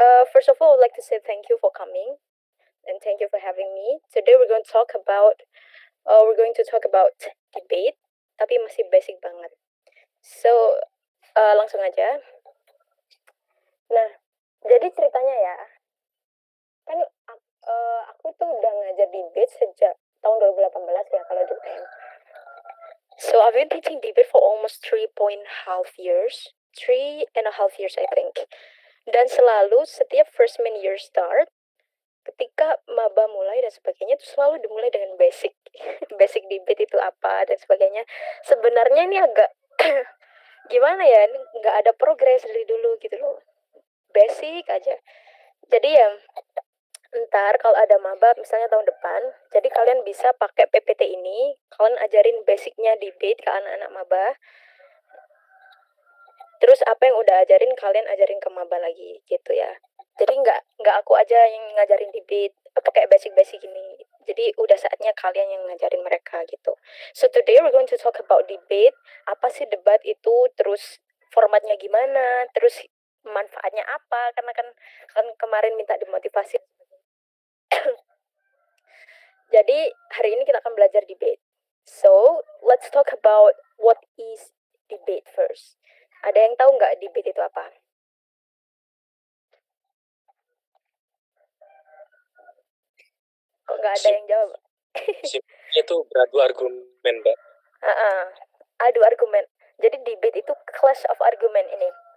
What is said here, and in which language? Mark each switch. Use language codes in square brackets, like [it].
[en] First of all, I would like to say thank you for coming and thank you for having me. Today we're going to talk about debate, [id] tapi masih basic banget. So, langsung aja. Nah, jadi ceritanya ya, kan aku tuh udah ngajar debate sejak tahun 2018 ya, kalau di UPM. [en] So I've been teaching debate for almost 3.5 years, 3.5 years I think. [id] Dan selalu setiap [en] freshman year start, [id] ketika maba mulai dan sebagainya, itu selalu dimulai dengan basic, basic debate itu apa dan sebagainya. Sebenarnya ini agak gimana ya, nggak ada progres dari dulu gitu loh, basic aja. Jadi ya ntar kalau ada maba misalnya tahun depan, jadi kalian bisa pakai PPT ini, kalian ajarin basicnya debate ke anak-anak maba. Terus apa yang udah ajarin, kalian ajarin ke maba lagi gitu ya. Jadi nggak aku aja yang ngajarin debate pakai basic-basic ini. Jadi udah saatnya kalian yang ngajarin mereka gitu. [en] So today we're going to talk about debate. [id] Apa sih debat itu, terus formatnya gimana, terus manfaatnya apa, karena kan kemarin minta dimotivasi. Jadi hari ini kita akan belajar debate. [en] So let's talk about what is debate first. [id] Ada yang tahu nggak debate itu apa? Kok nggak ada yang jawab? Itu beradu argumen, Mbak. Adu argumen. Jadi debate itu [en] clash of argument [id] ini.